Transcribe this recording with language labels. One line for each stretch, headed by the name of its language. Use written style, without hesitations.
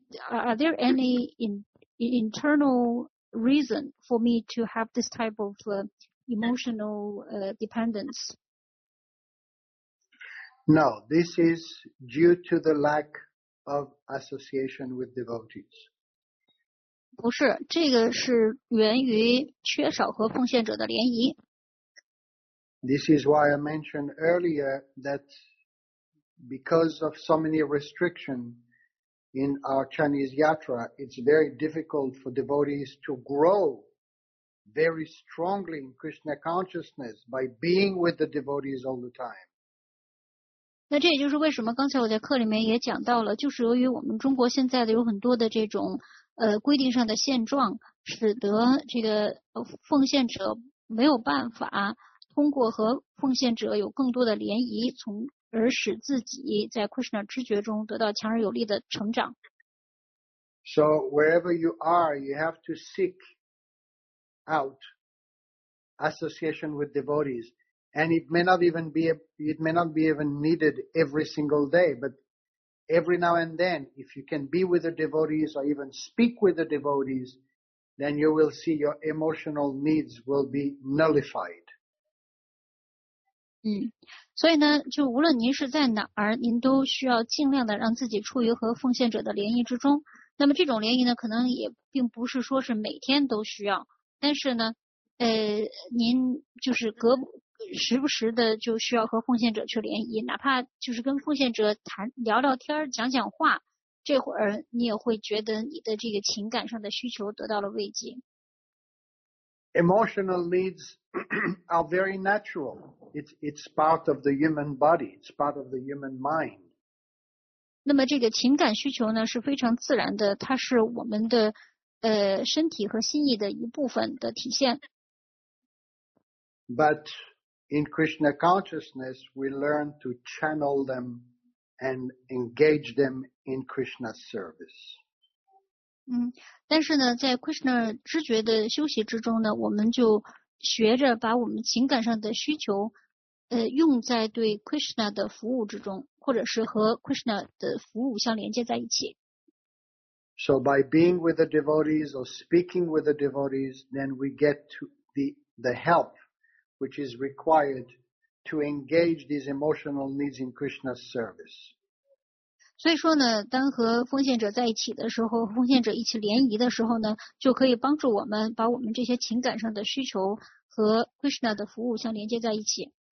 English: Are there any internal reason for me to have this type of emotional dependence? No, this is due to the lack of association with devotees.
Chinese: 不是，这个是源于缺少和奉献者的联谊。
English: This is why I mentioned earlier that because of so many restrictions in our Chinese yatra, it's very difficult for devotees to grow very strongly in Krishna consciousness by being with the devotees all the time.
Chinese: 那这也就是为什么刚才我在课里面也讲到了，就是由于我们中国现在的有很多的这种规定上的现状，使得这个奉献者没有办法通过和奉献者有更多的联谊，从而使自己在 Krishna 知觉中得到强而有力的成长。
English: So wherever you are, you have to seek out association with devotees, and it may not even be needed every single day, but. Every now and then, if you can be with the devotees or even speak with the devotees, then you will see your emotional needs will be nullified.
Chinese: 所以呢，就无论您是在哪儿，您都需要尽量的让自己处于和奉献者的联谊之中。那么这种联谊呢，可能也并不是说是每天都需要，但是呢，您就是隔时不时的就需要和奉献者去联谊，哪怕就是跟奉献者谈聊聊天讲讲话，这会儿你也会觉得你的这个情感上的需求得到了慰藉。
English: Emotional needs are very natural. It's part of the human body. It's part of the human mind.
Chinese: 那么这个情感需求呢是非常自然的，它是我们的身体和心意的一部分的体现。
English: But in Krishna consciousness, we learn to channel them and engage them in Krishna's service.
Chinese: 但是呢，在 Krishna 知觉的休息之中呢，我们就学着把我们情感上的需求，用在对 Krishna 的服务之中，或者是和 Krishna 的服务相连接在一起。
English: So by being with the devotees or speaking with the devotees, then we get to the help. Which is required to engage these emotional needs in Krishna's service.
Chinese: 所以说呢，当和奉献者在一起的时候，奉献者一起联谊的时候呢，就可以帮助我们把我们这些情感上的需求和 Krishna 的服务相连接在一起。